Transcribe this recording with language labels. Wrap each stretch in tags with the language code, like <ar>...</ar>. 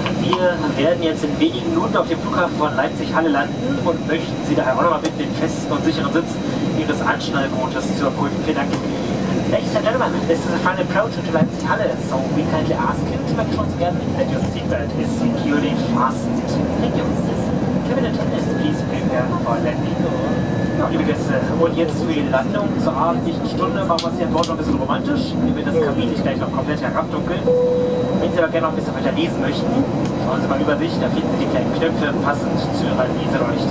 <de>Wir werden jetzt in wenigen Minuten auf dem Flughafen von Leipzig-Halle landen und möchten Sie daher auch noch mal bitten, den festen und sicheren Sitz Ihres Anschnallgurtes zu erprobieren. Vielen Dank.</de> <en>Ladies and gentlemen, this is a final approach to Leipzig-Halle, so we kindly ask you to make sure to get that your seatbelt is securely fastened. Thank you, Mrs. Cabin attendants, please prepare for landing.</en> <de>Liebe Gäste, und jetzt für die Landung zur abendlichen Stunde machen wir es hier an Bord noch ein bisschen romantisch. Wir werden das Kabin nicht gleich noch komplett herabdunkeln. Wenn Sie aber gerne noch ein bisschen weiter lesen möchten, schauen Sie mal über sich, da finden Sie die kleinen Knöpfe passend zu Ihrer Leseleuchte.</de>